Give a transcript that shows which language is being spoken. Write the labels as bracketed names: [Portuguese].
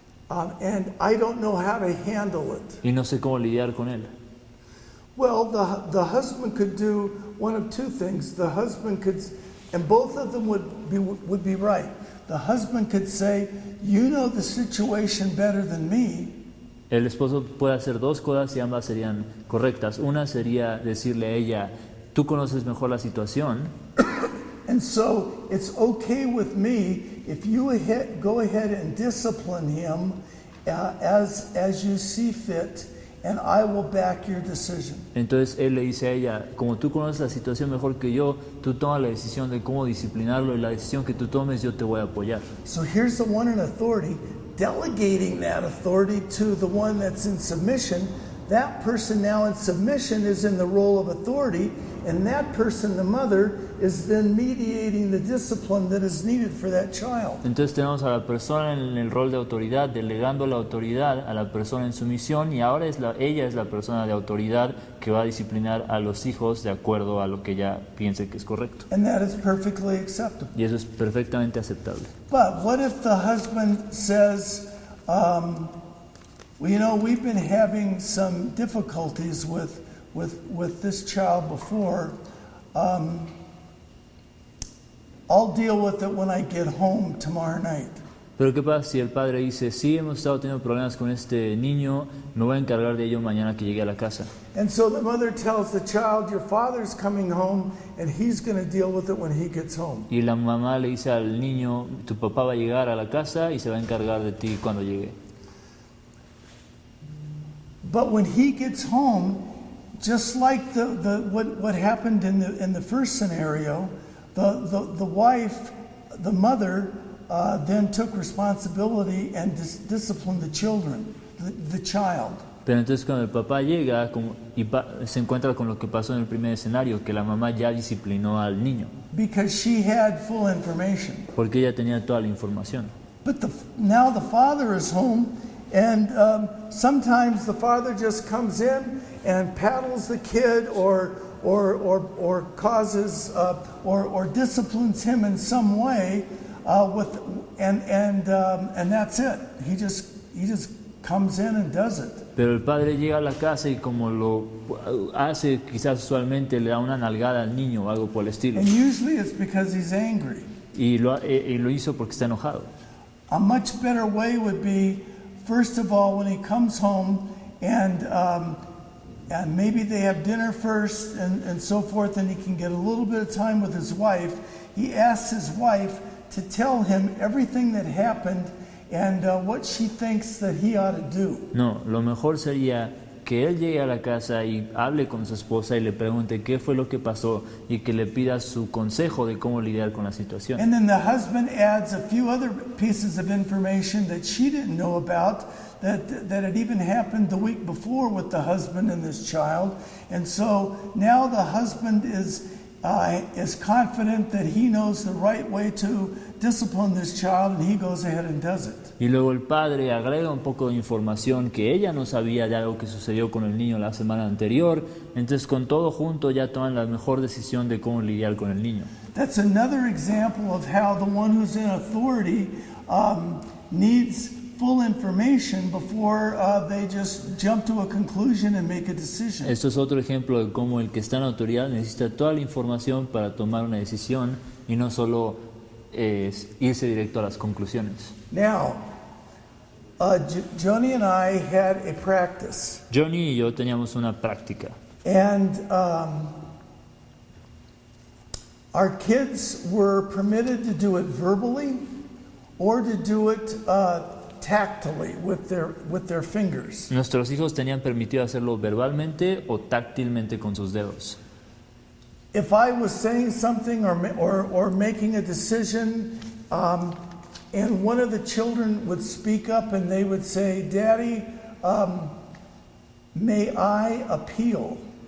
[English] And I don't know how to handle it. [Spanish] Y no sé cómo lidiar con él. [English] Well, the husband could do one of two things. The husband could, and both of them would be right. The husband could say, you know the situation better than me. [Spanish] El esposo puede hacer dos cosas y ambas serían correctas. Una sería decirle a ella, tú conoces mejor la situación. [English] And so it's okay with me if you go ahead and discipline him as you see fit, and I will back your decision. [Spanish] Entonces él le dice a ella, como tú conoces la situación mejor que yo, tú toma la decisión de cómo disciplinarlo, y la decisión que tú tomes yo te voy a apoyar. [English] So here's the one in authority delegating that authority to the one that's in submission. That person now in submission is in the role of authority, And that person, the mother, is then mediating the discipline that is needed for that child. [Spanish] Entonces tenemos a la persona en el rol de autoridad, delegando la autoridad a la persona en su misión, y ahora ella es la persona de autoridad que va a disciplinar a los hijos de acuerdo a lo que ella piense que es correcto. [English] And that is perfectly acceptable. [Spanish] Y eso es perfectamente aceptable. [English] But what if the husband says, well, you know, we've been having some difficulties with this child before. I'll deal with it when I get home tomorrow night. [Spanish] Pero qué pasa si el padre dice, sí, hemos estado teniendo problemas con este niño, me voy a encargar de ello mañana que llegue a la casa. [English] And so the mother tells the child, your father's coming home and he's going to deal with it when he gets home. [Spanish] Y la mamá le dice al niño, tu papá va a llegar a la casa y se va a encargar de ti cuando llegue. [English] But when he gets home, just like what happened in the first scenario, the wife, the mother, then took responsibility and disciplined the children, the child. [Spanish] Pero entonces cuando el papá llega se encuentra con lo que pasó en el primer escenario, que la mamá ya disciplinó al niño. [English] Because she had full information. [Spanish] Porque ella tenía toda la información. [English] But now the father is home. And sometimes the father just comes in and paddles the kid or causes or disciplines him in some way and that's it. He just comes in and does it. [Spanish] Pero el padre llega a la casa y como lo hace quizás usualmente le da una nalgada al niño o algo por el estilo. [English] And usually it's because he's angry. [Spanish] Y lo hizo porque está enojado. [English] A much better way would be, first of all, when he comes home and maybe they have dinner first and so forth, and he can get a little bit of time with his wife, he asks his wife to tell him everything that happened and what she thinks that he ought to do. [Spanish] No, lo mejor sería que él llegue a la casa y hable con su esposa y le pregunte qué fue lo que pasó y que le pida su consejo de cómo lidiar con la situación. [English] And then the husband adds a few other pieces of information that she didn't know about, that had even happened the week before with the husband and this child. And so now the husband is confident that he knows the right way to discipline this child, and he goes ahead and does it. [Spanish] Y luego el padre agrega un poco de información que ella no sabía de algo que sucedió con el niño la semana anterior. Entonces, con todo junto, ya toman la mejor decisión de cómo lidiar con el niño. [English] That's another example of how the one who's in authority needs full information before they just jump to a conclusion and make a decision. [Spanish] Esto es otro ejemplo de cómo el que está en autoridad necesita toda la información para tomar una decisión y no solo es irse directo a las conclusiones. [English] Now, Johnny and I had a practice. [Spanish] Johnny y yo teníamos una práctica. [English] And our kids were permitted to do it verbally or to do it tactily with their fingers. [Spanish] Nuestros hijos tenían permitido hacerlo verbalmente o táctilmente con sus dedos. [English] If I was saying something or making a decision, and one of the children would speak up and they would say, "Daddy, may I appeal?"